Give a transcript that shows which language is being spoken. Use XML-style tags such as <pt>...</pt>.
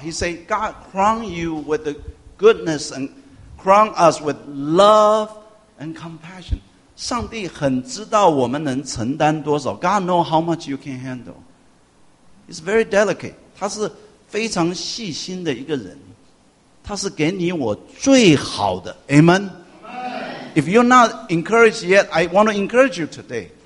<en>He say God crown you with the goodness and crown us with love and compassion。</en> <zh>上帝很知道我们能承担多少。</zh> <en>God knows how much you can handle. He's very delicate.</en> <zh>他是非常细心的一个人。他是给你我最好的。Amen?</zh> <en>Amen. If you're not encouraged yet, I want to encourage you today.</en>